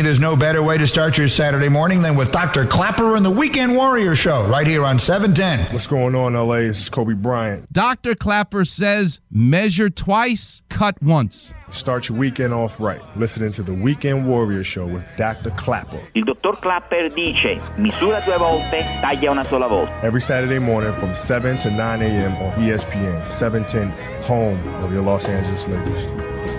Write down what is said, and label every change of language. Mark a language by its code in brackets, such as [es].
[en] There's no better way to start your Saturday morning than with Dr. Clapper and the Weekend Warrior Show, right here on 710. What's going on, L.A.? This is Kobe Bryant. Dr. Clapper says, measure twice, cut once. Start your weekend off right, listening to the Weekend Warrior Show with Dr. Clapper. [it] Il dottor Clapper dice, misura due volte, taglia una sola volta. [en] Every Saturday morning from 7 to 9 a.m. on ESPN, 710, home of your Los Angeles Lakers.